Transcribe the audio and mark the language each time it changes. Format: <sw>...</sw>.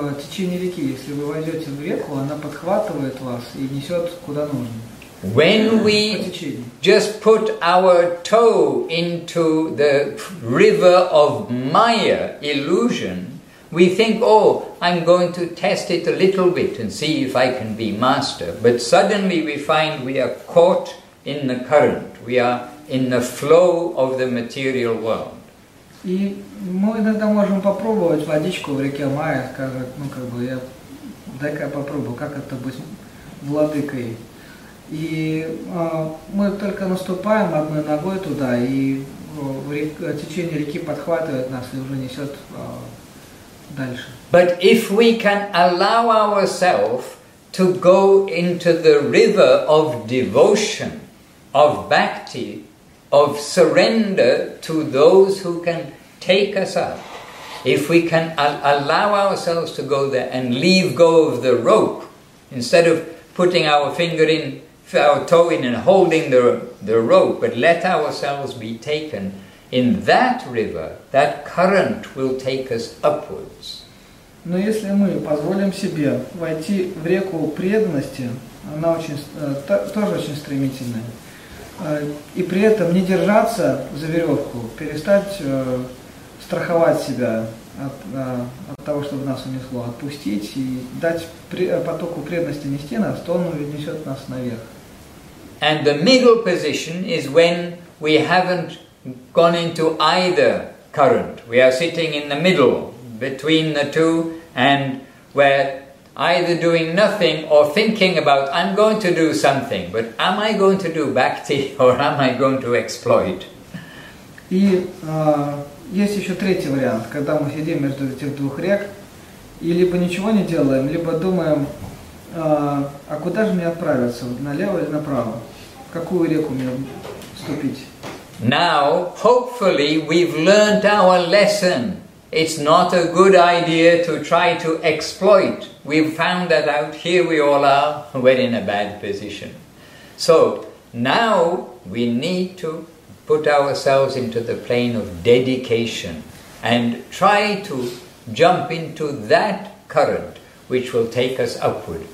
<ru>Течение реки, если вы войдете в реку, она подхватывает вас и несет куда нужно.</ru> <en>When we just put our toe into the river of Maya, illusion, we think, oh, I'm going to test it a little bit and see if I can be master. But suddenly we find we are caught in the current. We are in the flow of the material world.</en> <ru>И мы иногда можем попробовать водичку в реке Майя, сказать, ну как бы, я дай-ка я попробую, как это быть владыкой. И мы только наступаем одной ногой туда, и течение реки подхватывает нас и уже несет дальше.</ru> <en>But if we can allow ourselves to go into the river of devotion, of bhakti, of surrender to those who can take us up, if we can allow ourselves to go there and leave go of the rope, instead of putting our finger in, our toe in and holding the rope, but let ourselves be taken, in that river, that current will take us upwards.</en> <ru>Но если мы позволим себе войти в реку преданности, она тоже очень стремительная, и при этом не держаться за веревку, перестать страховать себя от того, чтобы нас унесло, отпустить и дать потоку преданности нести нас, то он унесет нас наверх.</ru> <en>And the middle position is when we haven't gone into either current. We are sitting in the middle between the two, and we're either doing nothing or thinking about I'm going to do something, but am I going to do bhakti or am I going to exploit?</en> <ru>Есть еще третий вариант, когда мы сидим между этих двух рек и либо ничего не делаем, либо думаем, а куда же мне отправиться, налево или направо? В какую реку мне вступить?</ru> <en>Now, hopefully, we've learned our lesson. It's not a good idea to try to exploit. We've found that out. Here we all are. We're in a bad position. So, now we need to put ourselves into the plane of dedication and try to jump into that current which will take us upward.</en>